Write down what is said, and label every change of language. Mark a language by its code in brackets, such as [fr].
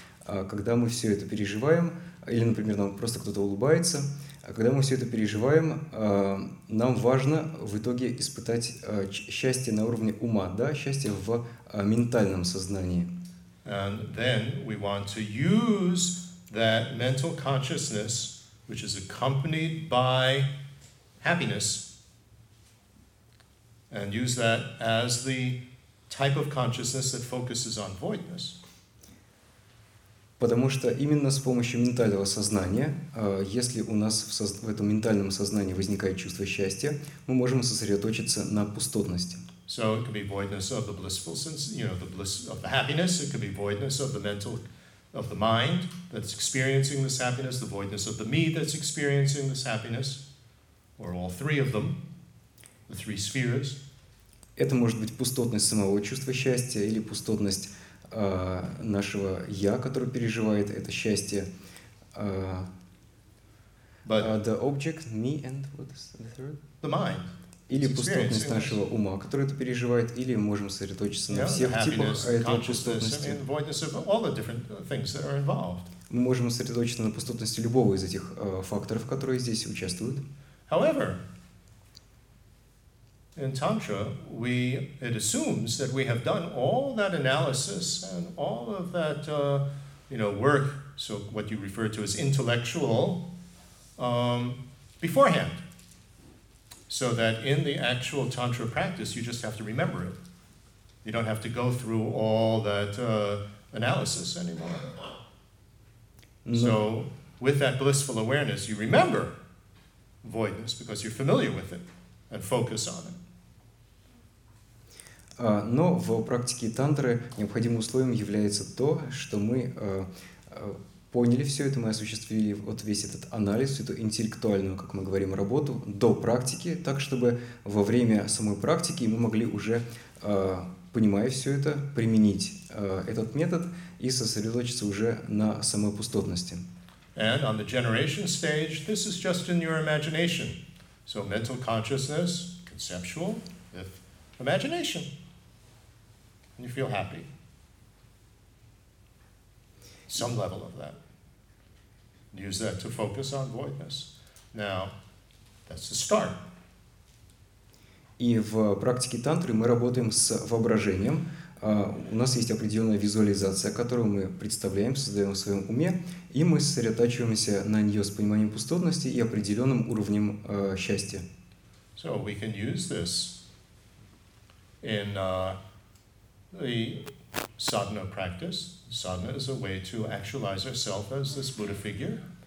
[ru] Когда мы все это переживаем, или, например, нам просто кто-то улыбается, когда мы все это переживаем, нам важно в итоге испытать счастье на уровне ума, да, счастье в ментальном сознании. [en] And then we want to use that mental consciousness, which is accompanied by happiness, and use that as the type of consciousness that focuses on voidness. [ru] Потому что именно с помощью ментального сознания, если у нас в этом ментальном сознании возникает чувство счастья, мы можем сосредоточиться на пустотности. [en] So it could be voidness of the blissful sense, you know, the bliss of the happiness. It could be voidness of the mental, of the mind that's experiencing this happiness, the voidness of the me that's experiencing this happiness, or all three of them, the three spheres. [ru] Это может быть пустотность самого чувства счастья или пустотность нашего «я», который переживает это счастье. [en] The object, me, and what is the third? The mind. [ru] Или пустотность нашего ума, который это переживает, или можем сосредоточиться на всех типах этого пустотности. Мы можем сосредоточиться на пустотности любого из этих факторов, которые здесь участвуют. [en] However, in Tantra, it assumes that we have done all that analysis and all of that, you know, work. So what you refer to as intellectual, beforehand, so that in the actual Tantra practice, you just have to remember it. You don't have to go through all that analysis anymore. No. So with that blissful awareness, you remember voidness because you're familiar with it and focus on it. [ru] Но в практике тантры необходимым условием является то, что мы поняли все это, мы осуществили вот весь этот анализ, эту интеллектуальную, как мы говорим, работу до практики, так чтобы во время самой практики мы могли уже, понимая все это, применить этот метод и сосредоточиться уже на самой пустотности. [en] And on the generation stage, this is just in your imagination. So mental consciousness, conceptual, with imagination. You feel happy. Some level of that. Use that to focus on voidness. Now, that's the start. [ru] И в практике тантры мы работаем с воображением. У нас есть определенная визуализация, которую мы представляем, создаем в своем уме, и мы сосредотачиваемся на нее с пониманием пустотности и определенным уровнем счастья. [en] So we can use this in the sadhana practice. Sadhana is a way to actualize ourselves as this Buddha figure.